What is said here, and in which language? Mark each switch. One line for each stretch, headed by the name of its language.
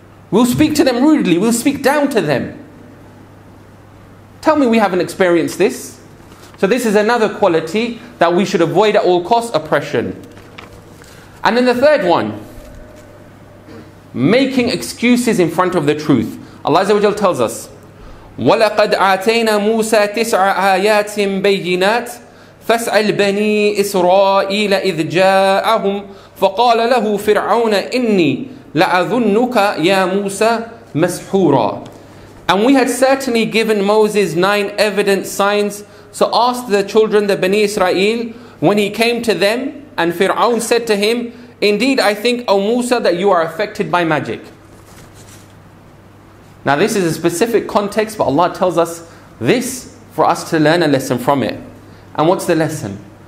English: We'll speak down to them. Tell me we haven't experienced this. So this is another quality that we should avoid at all costs, oppression. And then the third one, making excuses in front of the truth.
Arabic: Allah Azza wa Jalla tells us, وَلَقَدْ عَتَيْنَا مُوسَى تِسْعَ آيَاتٍ بَيِّنَاتٍ فَاسْأَلْ بَنِي إِسْرَائِيلَ إِذْ جَاءَهُمْ فَقَالَ لَهُ فِرْعَوْنَ إِنِّي لَأَذُنُّكَ يَا مُوسَى مَسْحُورًا.
English: And we had certainly given Moses 9 evident signs. So ask the children, the Bani Israel, when he came to them, and Fir'aun said to him, indeed I think, O Musa, that you are affected by magic. Now this is a specific context, but Allah tells us this for us to learn a lesson from it. And what's the lesson?